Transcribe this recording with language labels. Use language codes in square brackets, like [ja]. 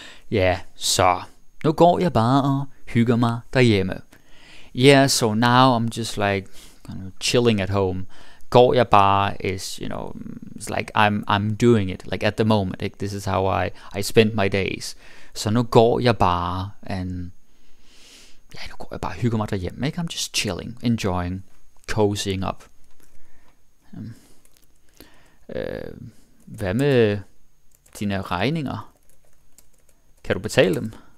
[da] Ja, så nu går jeg bare og hygger mig derhjemme. [en] Yeah, so now I'm just like kind of chilling at home. [da] Går jeg bare [en] is, you know, it's like I'm doing it, like at the moment. Like this is how I spend my days. [da] Så nu går jeg bare, [en] and [da] ja, nu går jeg bare og hygger mig derhjemme. [en] Like I'm just chilling, enjoying, cozying up. [da] Hvad med dine regninger? Kan du betale dem?